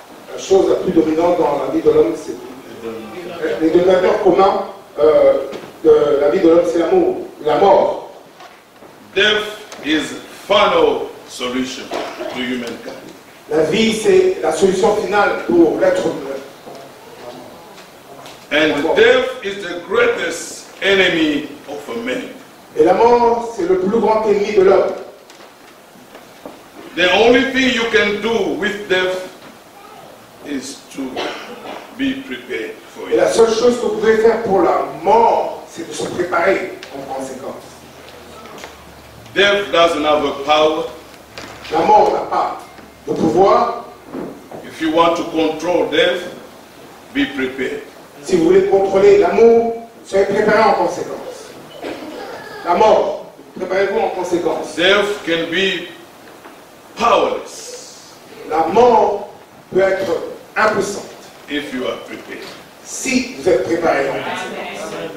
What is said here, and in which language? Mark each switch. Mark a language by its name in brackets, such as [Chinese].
[French] La chose la plus dominante dans la vie de l'homme, c'est le dénominateur commun de la vie de l'homme, c'est l'amour, la mort. [English] Death is final solution to humankind. [French] La vie, c'est la solution finale pour l'être humain. [English] And death is the greatest enemy of a man. [French] Et la mort, c'est le plus grand ennemi de l'homme. [English] The only thing you can do with death is to be prepared for it. [French] Et la seule chose que vous pouvez faire pour la mort, c'est de se préparer en conséquence. [English] Death doesn't have a power. [French] La mort n'a pas. Le pouvoir. [English] If you want to control death, be prepared. [French] Si vous voulez contrôler l'amour, soyez préparé en conséquence. La mort, préparez-vous en conséquence. [English] Death can be powerless. [French] La mort peut être impuissante. [English] If you are prepared. [French] Si vous êtes préparé en conséquence.